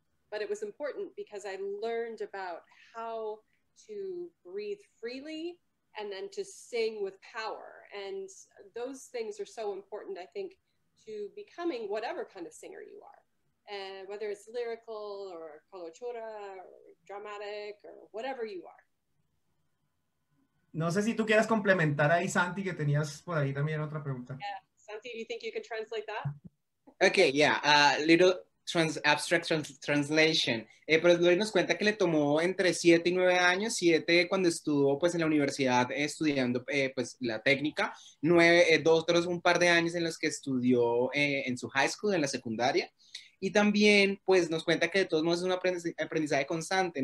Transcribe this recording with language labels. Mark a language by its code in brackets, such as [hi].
[en] But it was important because I learned about how to breathe freely and then to sing with power, and those things are so important, I think, to becoming whatever kind of singer you are, and whether it's lyrical or colochura or dramatic or whatever you are. [es] No sé si tú quieras complementar ahí, Santi, que tenías por ahí también otra pregunta. [en] Yeah. Santi, do you think you can translate that? Okay, yeah, a little abstract translation. [es] Pero Lori nos cuenta que le tomó entre 7 y 9 años, 7 cuando estuvo pues en la universidad estudiando pues la técnica, 9, 2, 3, un par de años en los que estudió en su high school, en la secundaria. Y también, pues, nos cuenta que de todos modos es un aprendizaje constante.